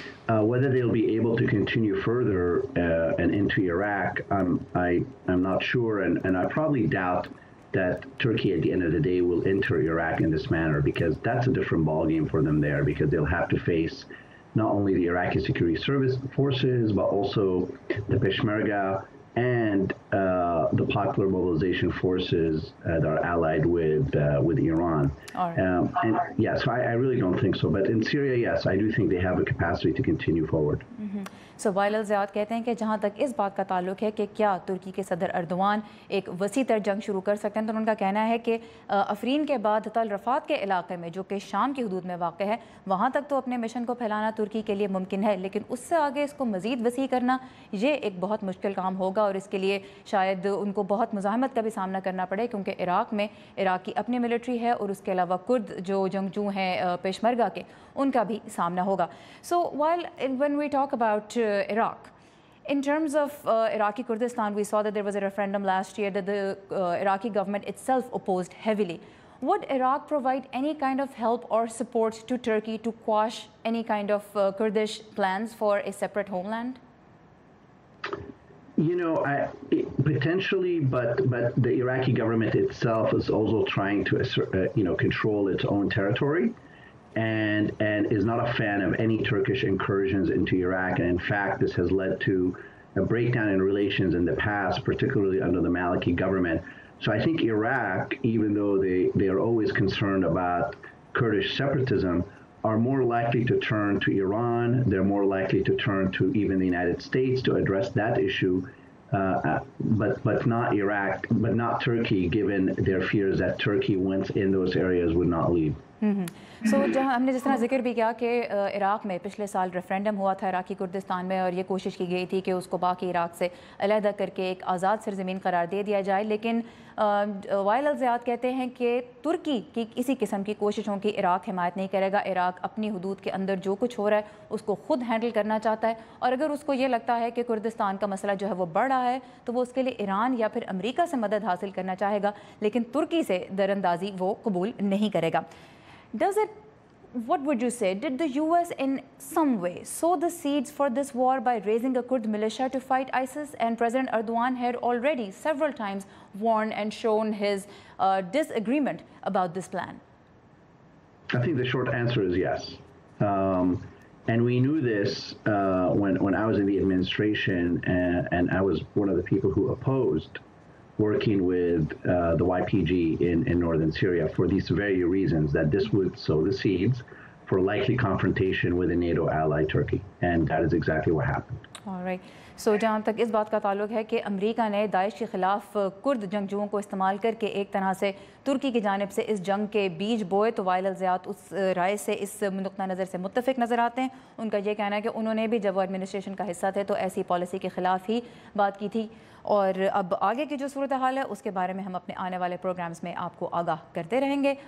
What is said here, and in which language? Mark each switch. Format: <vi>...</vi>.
<en>Whether they'll be able to continue further and into Iraq, I'm not sure, and I probably doubt that Turkey at the end of the day will enter Iraq in this manner, because that's a different ballgame for them there, because they'll have to face not only the Iraqi security service forces, but also the Peshmerga and the popular mobilization forces that are allied with Iran. So I really don't think so. But in Syria, yes, I do think they have a capacity to continue forward.</en> <ur>So while الزیاد کہتے ہیں کہ جہاں تک اس بات کا تعلق ہے کہ کیا ترکی کے صدر اردوان ایک وسیع تر جنگ شروع کر سکتے ہیں, تو ان کا کہنا ہے کہ افرین کے بعد تل رفات کے علاقے میں جو کہ شام کی حدود میں واقع ہے, وہاں تک تو اپنے مشن کو پھیلانا ترکی کے لیے ممکن ہے, لیکن اس سے آگے اس کو مزید وسیع کرنا یہ ایک بہت مشکل کام ہوگا, اور اس کے لیے شاید ان کو بہت مزاحمت کا بھی سامنا کرنا پڑے, کیونکہ عراق میں عراق کی اپنی ملٹری ہے اور اس کے علاوہ کرد جو جنگجو ہیں پیشمرگا کے, ان کا بھی سامنا ہوگا.</ur> <en>So while, when we talk about Iraq. In terms of Iraqi Kurdistan, we saw that there was a referendum last year that the Iraqi government itself opposed heavily. Would Iraq provide any kind of help or support to Turkey to quash any kind of Kurdish plans for a separate homeland? You know, potentially, but the Iraqi government itself is also trying to control its own territory, and is not a fan of any Turkish incursions into Iraq. And in fact, this has led to a breakdown in relations in the past, particularly under the Maliki government. So I think Iraq, even though they are always concerned about Kurdish separatism, are more likely to turn to Iran. They're more likely to turn to even the United States to address that issue, but not Iraq, but not Turkey, given their fears that Turkey, once in those areas, would not leave.</en> <ur>سو جہاں ہم نے جس طرح ذکر بھی کیا کہ عراق میں پچھلے سال ریفرینڈم ہوا تھا عراقی کردستان میں, اور یہ کوشش کی گئی تھی کہ اس کو باقی عراق سے علیحدہ کر کے ایک آزاد سرزمین قرار دے دیا جائے, لیکن وائل الزیاد کہتے ہیں کہ ترکی کی کسی قسم کی کوششوں کی عراق حمایت نہیں کرے گا. عراق اپنی حدود کے اندر جو کچھ ہو رہا ہے اس کو خود ہینڈل کرنا چاہتا ہے, اور اگر اس کو یہ لگتا ہے کہ کردستان کا مسئلہ جو ہے وہ بڑھ رہا ہے تو وہ اس کے لیے ایران یا پھر امریکہ سے مدد حاصل کرنا چاہے گا, لیکن ترکی سے در اندازی وہ قبول نہیں کرے گا.</ur> <en>Does it, what would you say, did the U.S. in some way sow the seeds for this war by raising a Kurd militia to fight ISIS? And President Erdogan had already several times warned and shown his disagreement about this plan. I think the short answer is yes. And we knew this when I was in the administration, and I was one of the people who opposed working with the YPG in northern Syria for these very reasons, that this would sow the seeds for likely confrontation with a NATO ally, Turkey. And that is exactly what happened. All right.</en> <ur>سو جہاں تک اس بات کا تعلق ہے کہ امریکہ نے داعش کے خلاف کرد جنگجوؤں کو استعمال کر کے ایک طرح سے ترکی کی جانب سے اس جنگ کے بیج بوئے, تو وائل الزیاد اس رائے سے, اس نقطہ نظر سے متفق نظر آتے ہیں. ان کا یہ کہنا ہے کہ انہوں نے بھی جب وہ ایڈمنسٹریشن کا حصہ تھے تو ایسی پالیسی کے خلاف ہی بات کی تھی, اور اب آگے کی جو صورتحال ہے اس کے بارے میں ہم اپنے آنے والے پروگرامز میں آپ کو آگاہ کرتے رہیں گے.</ur>